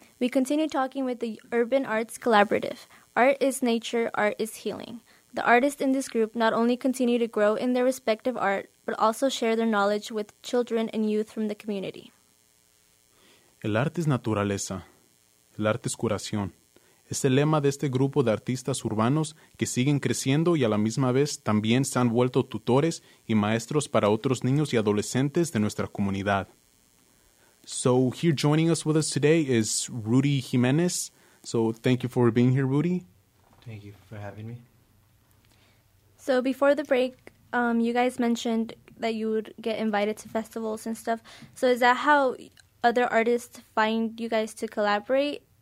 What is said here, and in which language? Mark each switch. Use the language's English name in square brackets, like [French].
[English] We continue talking with the Urban Arts Collaborative. Art is nature, art is healing. The artists in this group not only continue to grow in their respective art, but also share their knowledge with children and youth from the community. [Spanish] El arte es naturaleza. El arte es curación. Es el lema de este grupo de artistas urbanos que siguen creciendo y a la misma vez también se han vuelto tutores y maestros para otros niños y adolescentes de nuestra comunidad. [English] So here joining us with us today is Rudy Jimenez. So thank you for being here, Rudy. Thank you for having me. So before the break, you guys mentioned that you would get invited to festivals and stuff. So is that how other artists find you guys to collaborate?